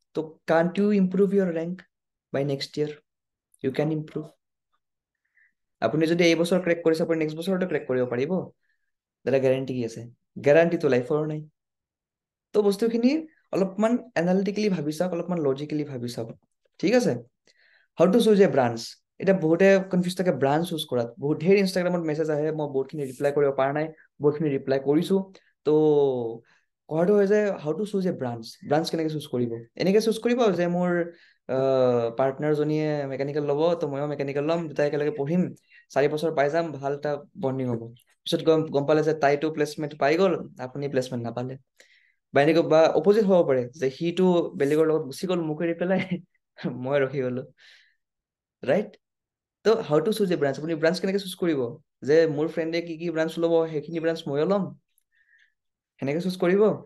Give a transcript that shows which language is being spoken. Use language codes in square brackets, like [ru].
[en] ত' can't you improve your rank by next year? You can improve. [as] আপুনি যদি এই বছৰ ক্ৰেক কৰিছে, আপুনি নেক্সট বছৰতো ক্ৰেক কৰিব পাৰিব। দাদা গেৰাণ্টি কি আছে? গেৰাণ্টিটো লাইফৰ নাই। ত' বস্তুখিনি অলপমান এনালিটিকেলি ভাবি চাওক, অলপমান লজিকেলি ভাবি চাওক, ঠিক আছে? [en] how to choose a branch, [as] এতিয়া বহুতে কনফিউজ থাকে ব্ৰাঞ্চ চুজ কৰাত। বহুত ঢেৰ ইনষ্টাগ্ৰামত মেছেজ আহে, মই বহুতখিনি ৰিপ্লাই কৰিব পৰা নাই, বহুতখিনি ৰিপ্লাই কৰিছোঁ। ত' কথাটো হয় যে [en] how to choose a branch, [as] branch কেনেকৈ চুজ কৰিব? এনেকৈ চুজ কৰিব যে মোৰ পাৰ্টনাৰজনীয়ে মেকানিকেল ল'ব, ত' ময়ো মেকানিকেল ল'ম, দুটাই একেলগে পঢ়িম, 4 বছৰ পাই যাম, ভাল এটা বৰ্ণিং হ'ব। পিছত গম গম পালে যে তাইটো প্লেচমেণ্ট পাই গ'ল, আপুনি প্লেচমেণ্ট নাপালে। বা এনেকুৱা বা অপজিট হ'ব পাৰে যে সিটো বেলেগৰ লগত গুচি গ'ল, মোক এৰি পেলাই মই ৰখি গ'লোঁ, right? To [en] how to choose a branch, [as] আপুনি ব্ৰাঞ্চ কেনেকৈ চুজ কৰিব? যে মোৰ ফ্ৰেণ্ডে কি কি ব্ৰাঞ্চ ল'ব, সেইখিনি ব্ৰাঞ্চ ময়ো ল'ম, সেনেকৈ চুজ কৰিব?